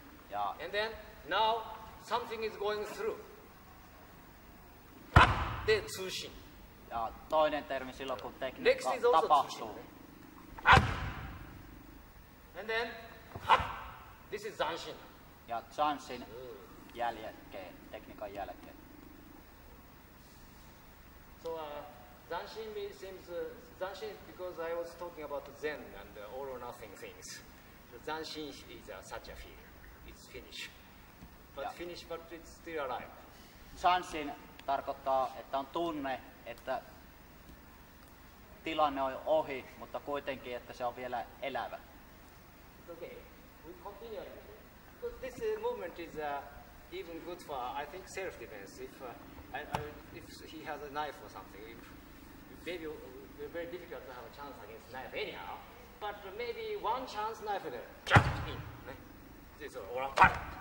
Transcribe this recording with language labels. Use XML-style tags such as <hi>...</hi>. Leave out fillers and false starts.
<en>Yeah. And then, now, something is going through. De Tsushin.</en> <fi>Ja toinen termi silloin, kun tekniikka</fi> <en>next is also</en> <fi>tapahtuu.</fi> <en>And then, this is Zanshin.</en> <fi>Ja Zanshin jälkeen, tekniikan jälkeen.</fi> <en>So, Zanshin seems, Zanshin, because I was talking about Zen and all or nothing things. Zanshin is such a feeling. It's finish. But yeah. Finish, but it's still alive.</en> <fi>Zanshin tarkoittaa, että on tunne, että tilanne on ohi, mutta kuitenkin, että se on vielä elävä.</fi> <en>Okay, we continue. But this movement is even good for, I think, self-defense. If he has a knife or something, maybe it's very difficult to have a chance against knife anyhow. But maybe one chance knife there. Just in. This is all apart.</en>